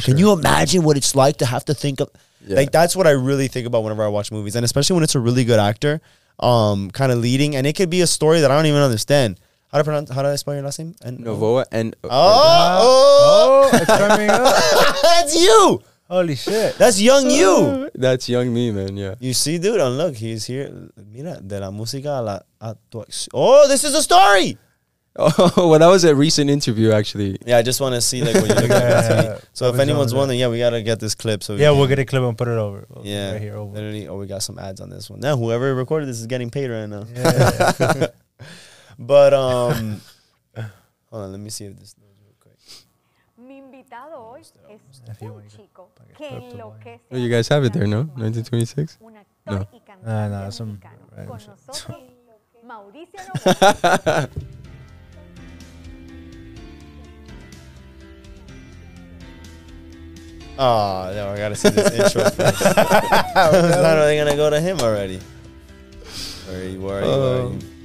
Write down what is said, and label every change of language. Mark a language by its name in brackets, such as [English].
[English] Sure. Can you imagine what it's like to have to think of? Yeah. Like, that's what I really think about whenever I watch movies, and especially when it's a really good actor kind of leading. And it could be a story that I don't even understand. How do I spell your last name? Novoa. It's coming up. That's you. Holy shit. That's young you. That's young me, man. Yeah. You see, dude, and look, he's here. [Spanish] Mira, de la música a la actuación. [English] Oh, this is a story. Oh, well, that was a recent interview, actually. Yeah, I just want to see like what you look at. So if anyone's wondering, we got to get this clip. So we'll get a clip and put it over. Right here, over. Literally, we got some ads on this one. Now, whoever recorded this is getting paid right now. But hold on, let me see if this knows real quick. [Spanish] Mi invitado hoy es un chico que enloquece. [English] Oh, you guys have it there, no? 1926? No. No, some random shit. Mauricio. Oh, no, I gotta see this intro first. I was not really gonna go to him already. Where are you?